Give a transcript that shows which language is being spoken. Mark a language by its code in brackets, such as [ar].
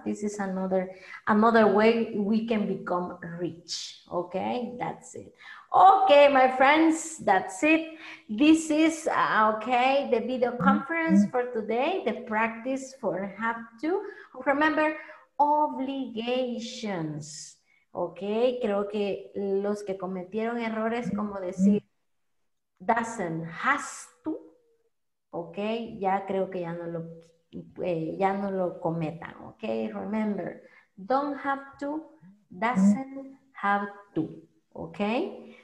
[en] This is another way we can become rich. Okay, that's it. Okay, my friends, that's it. This is, okay, the video conference for today, the practice for have to. Remember, obligations. [es] Okay, creo que los que cometieron errores, como decir, doesn't, has to, okay, ya creo que ya no lo cometan. [en] Okay, remember, don't have to, doesn't have to, okay?